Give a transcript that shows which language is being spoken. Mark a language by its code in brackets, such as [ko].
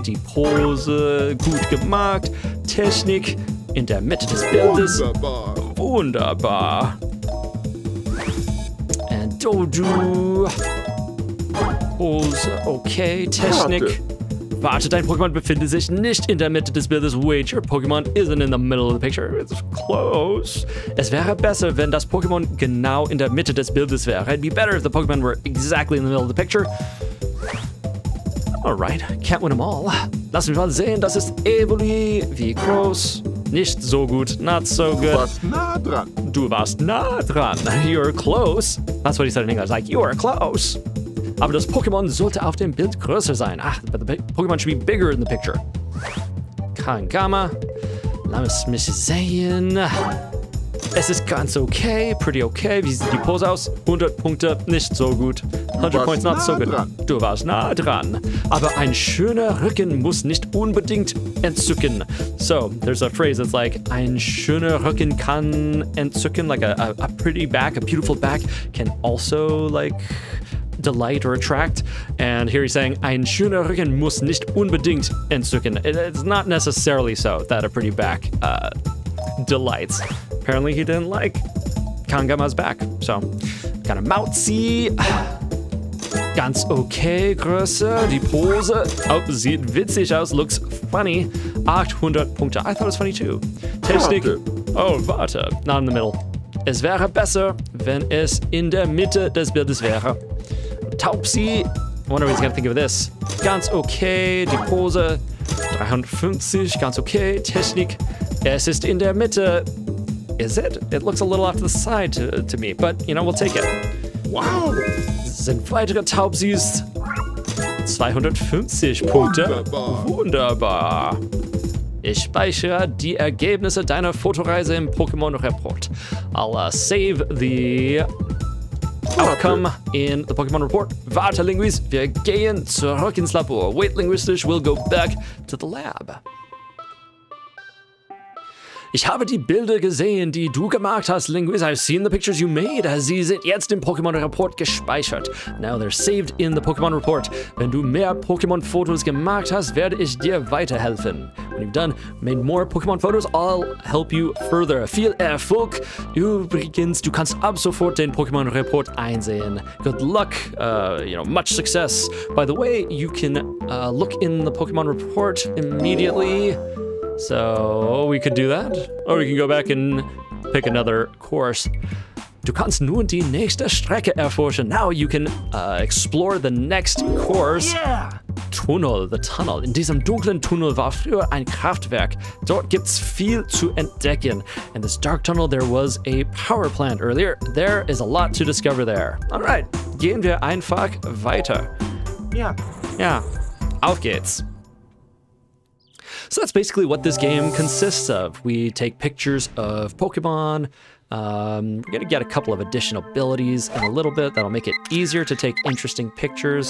[de] Die Pose. Gut gemacht. Technik. In der Mitte des Bildes. Wunderbar. Wunderbar. [en] And Dodo. Pose. Okay. Technik. [de] Warte, dein Pokémon befindet sich nicht in der Mitte des Bildes. [en] Wait, your Pokémon isn't in the middle of the picture. It's close. [de] Es wäre besser, wenn das Pokémon genau in der Mitte des Bildes wäre. [en] It'd be better if the Pokémon were exactly in the middle of the picture. Alright, can't win them all. [de] Lass mich mal sehen, das ist Evoli. Wie groß? Nicht so gut. [en] Not so good. [de] Du warst nah dran. Du warst nah dran. [en] You're close. That's what he said in English. Like, you are close. [de] Aber das Pokémon sollte auf dem Bild größer sein. [en] Ah, but the Pokémon should be bigger in the picture. [de] Kein Gamma. Lass mich sehen. Es ist ganz okay. [en] Pretty okay. [de] Wie sieht die Pose aus? 100 Punkte. Nicht so gut. [en] 100 Points, not so good. [de] Du warst nah dran. Aber ein schöner Rücken muss nicht unbedingt entzücken. [en] So, there's a phrase that's like, [de] ein schöner Rücken kann entzücken. [en] Like a pretty back, a beautiful back can also like delight or attract, and here he's saying [de] ein schöner Rücken muss nicht unbedingt entzücken. [en] It's not necessarily so that a pretty back delights. Apparently he didn't like Kangama's back, so kind of mousy. [de] Ganz okay Größe, die Pose, oh, sieht witzig aus, [en] looks funny. [de] 800 Punkte, [en] I thought it was funny too. Technik, [de] oh warte, [en] not in the middle. [de] Es wäre besser, wenn es in der Mitte des Bildes wäre. [en] Taubsi, I wonder what he's gonna think of this. [de] Ganz okay, die Pose, 350, ganz okay, Technik, es ist in der Mitte. [en] Is it? It looks a little off to the side to me, but you know, we'll take it. Wow! [de] Sind weitere Taubsis, 250 Punkte. Wunderbar! Ich speichere die Ergebnisse deiner Fotoreise im Pokémon Report. [en] I'll save the outcome in the Pokemon report. [de] Warte, Linguist, wir gehen zurück ins Labor. [en] Wait, Linguistisch, we'll go back to the lab. [de] Ich habe die Bilder gesehen, die du gemacht hast, Linguist. [en] I've seen the pictures you made. [de] Sie sind jetzt im Pokemon report gespeichert. [en] Now they're saved in the Pokemon report. [de] Wenn du mehr Pokemon Fotos gemacht hast, werde ich dir weiterhelfen. [en] When you've done, made more Pokemon photos, I'll help you further. [de] Viel Erfolg. Übrigens, du kannst ab sofort den Pokemon Report einsehen. [en] Good luck. You know, much success. By the way, you can look in the Pokemon Report immediately. So we could do that. Or we can go back and pick another course. [de] Du kannst nun die nächste Strecke erforschen. [en] Now you can explore the next course. Yeah. Tunnel, the tunnel. [de] In diesem dunklen Tunnel war früher ein Kraftwerk. Dort gibt's viel zu entdecken. [en] In this dark tunnel, there was a power plant earlier. There is a lot to discover there. All right, [de] gehen wir einfach weiter. [en] Yeah. Yeah. [de] Auf geht's. [en] So that's basically what this game consists of. We take pictures of Pokemon. We're gonna get a couple of additional abilities in a little bit that'll make it easier to take interesting pictures.